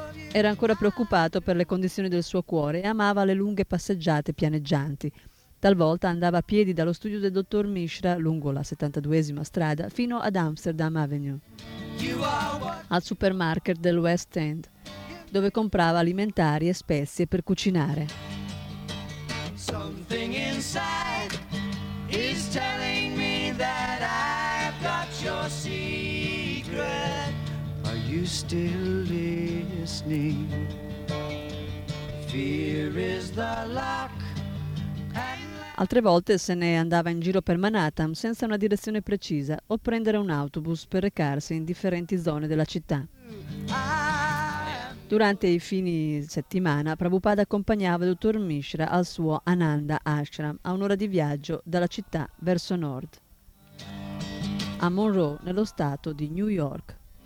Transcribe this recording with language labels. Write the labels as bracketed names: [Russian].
[Italian] Era ancora preoccupato per le condizioni del suo cuore e amava le lunghe passeggiate pianeggianti. Talvolta andava a piedi dallo studio del dottor Mishra lungo la 72esima strada fino ad Amsterdam Avenue, al supermarket del West End, dove comprava alimentari e spezie per cucinare. [English] Something inside is telling me that I've got your secret. Are you still listening? fear is the lock. [Italian] Altre volte se ne andava in giro per Manhattan senza una direzione precisa o prendere un autobus per recarsi in differenti zone della città. Durante i fini settimana, Prabhupada accompagnava il dottor Mishra al suo Ananda Ashram, a un'ora di viaggio dalla città verso nord, a Monroe, nello stato di New York.